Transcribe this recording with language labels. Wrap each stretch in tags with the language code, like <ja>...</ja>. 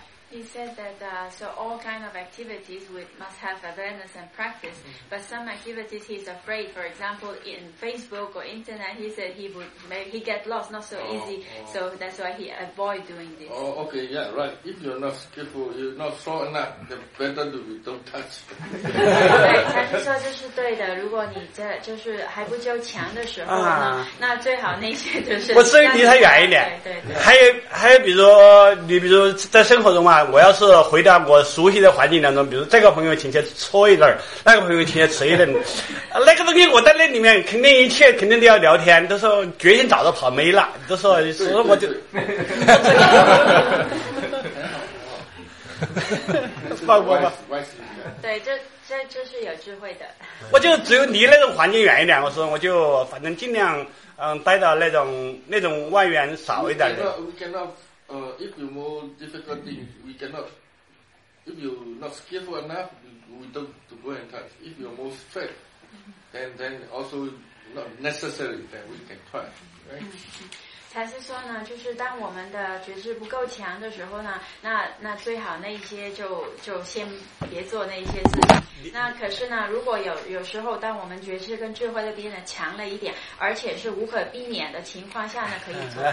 <en>He said that so all kind of activities we must have awareness and practice, but some activities he's afraid, for example in Facebook or internet, he said he get lost not so easy, so that's why he avoid doing this. Oh, okay, yeah, right. If you're not skillful, you're not strong enough, then better to be don't touch.</en> <zh>对，他是说这是对的，如果你这就是还不够强的时候呢，那最好那些就是我至于离他远一点。对对。还有比如说你比如说在生活中我要是回到我熟悉的环境当中，比如这个朋友请去搓一顿，那个朋友请去吃一顿，那个东西我在那里面肯定一切肯定都要聊天，都说决心早就跑没了，都说我就很好很好放过吧。对，这是有智慧的。我就只有离那种环境远一点，我说我就反正尽量待到那种外缘少一点的。</zh> <en>If you more difficult things, we cannot If you're not skillful enough, we don't to go and touch. If you're more strict, then also not necessary that we can touch, right?</en> <zh>才是说呢，就是当我们的觉知不够强的时候呢，那最好那些就先别做那些事情。那可是呢，如果有时候当我们觉知跟智慧的变得强了一点，而且是无可避免的情况下呢，可以做。</zh>